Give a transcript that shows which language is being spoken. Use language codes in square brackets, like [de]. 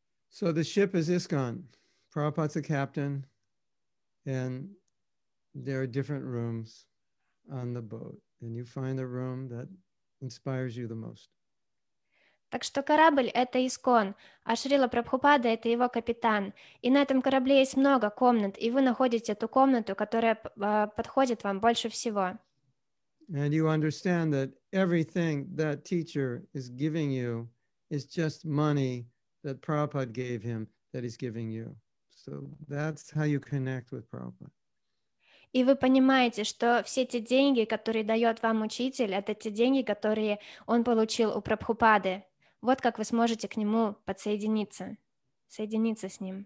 [en] So the ship is ISKCON. Prabhupada's the captain, and there are different rooms on the boat, and you find the room that inspires you the most. [ru] Так что корабль — это ИСКОН, а Шрила Прабхупада — это его капитан. И на этом корабле есть много комнат, и вы находите ту комнату, которая подходит вам больше всего. [en] And you understand that everything that teacher is giving you is just money that Prabhupada gave him, that he's giving you. So that's how you connect with Prabhupada. [ru] И вы понимаете, что все те деньги, которые дает вам учитель, это те деньги, которые он получил у Прабхупады. Вот как вы сможете к нему подсоединиться, соединиться с ним.